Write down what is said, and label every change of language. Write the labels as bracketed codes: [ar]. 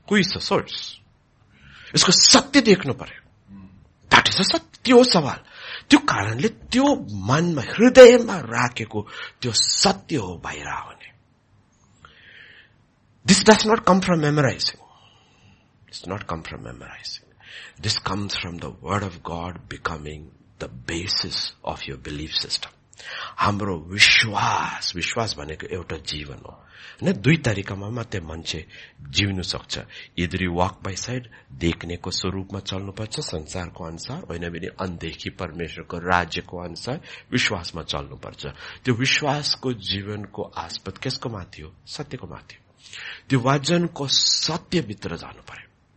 [en] Who is the source? [ne] इसको सत्य देख्नु पर्यो That is the सत्य त्यो सवाल त्यो कारणले त्यो मनमा हृदयमा राखेको त्यो सत्य हो बाहिर आउने [en] This does not come from memorizing. It's not come from memorizing. This comes from the word of God becoming the basis of your belief system. [ne] हाम्रो विश्वास विश्वास भनेको एउटा जीवन हो होइन दुई तरिकामा मात्रै मान्छे जिउनु सक्छ इदरी वाक बाई साइड देख्नेको स्वरूपमा चल्नुपर्छ संसारको अनुसार होइन भने अनदेखि परमेश्वरको राज्यको अनुसार विश्वासमा चल्नुपर्छ त्यो विश्वासको जीवनको आस्पद कसको माथि हो सत्यको माथि हो त्यो वचनको सत्यभित्र जानु पर्यो